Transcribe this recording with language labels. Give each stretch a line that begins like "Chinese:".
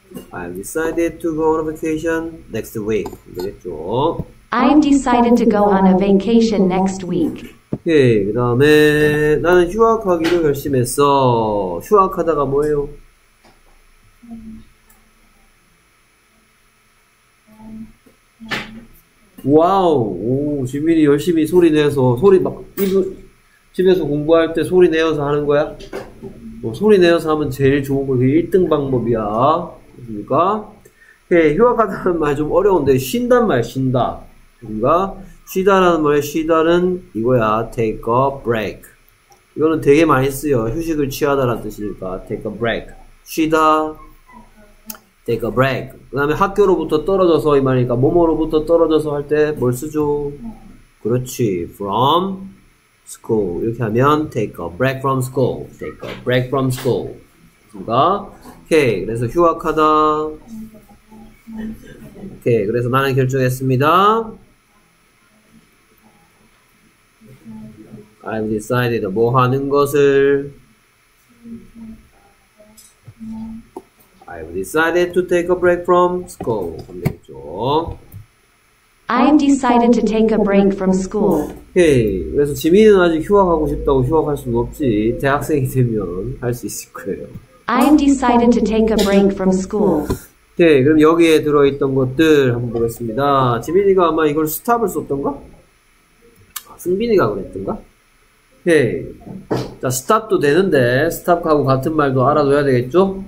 English: I've decided to go on a vacation next week.
Korean: 하면 되겠죠.
English: I'm decided to go on a vacation next week.
Korean: 오케이, 그 다음에 나는 휴학하기로 결심했어. 휴학하다가 뭐예요? 와우, 오, 지민이 열심히 소리 내서 소리 막 입을, 집에서 공부할 때 소리 내어서 하는 거야? 뭐, 소리 내어서 하면 제일 좋은 거, 그게 1등 방법이야. 그러니까 휴학하다는 말 좀 어려운데 쉰단 말, 쉰다. 뭔가 쉬다라는 말에 쉬다는 이거야
English: take a break.
Korean: 이거는 되게 많이 쓰여. 휴식을 취하다라는 뜻이니까
English: take a break.
Korean: 쉬다
English: take a break.
Korean: 그 다음에 학교로부터 떨어져서 이 말이니까 뭐뭐로부터 떨어져서 할 때 뭘 쓰죠?
English: 그렇지 from school.
Korean: 이렇게 하면
English: take a break from school. take a break from school.
Korean: 뭔가 오케이 그래서 휴학하다. 오케이 그래서 나는 결정했습니다.
English: I've decided
Korean: 뭐 하는 것을.
English: I've decided to take a break from school.
Korean: 되겠죠.
English: I've decided to take a break from school.
Korean: 오케이 그래서 지민은 아직 휴학하고 싶다고 휴학할 수는 없지. 대학생이 되면 할 수 있을 거예요.
English: I've decided to take a break from school.
Korean: 네, 그럼 여기에 들어있던 것들 한번 보겠습니다. 지민이가 아마 이걸 스탑을 썼던가? 아, 승빈이가 그랬던가? 네. 자, 스탑도 되는데, 스탑하고 같은 말도 알아둬야 되겠죠?